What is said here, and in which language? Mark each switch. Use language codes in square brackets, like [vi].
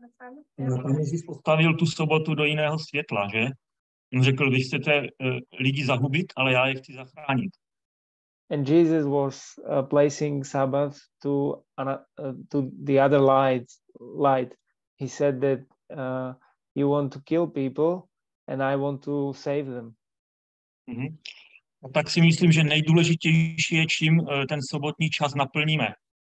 [cs] Pán Ježíš postavil tu sobotu do jiného světla, že? On řekl, vy chcete lidi zahubit, ale já je chci zachránit. [en] And Jesus was placing Sabbath to the other light. He said that you want to kill people and I want to save them. Mm-hmm. [cs] A tak si myslím, že nejdůležitější je, čím ten sobotní čas naplníme.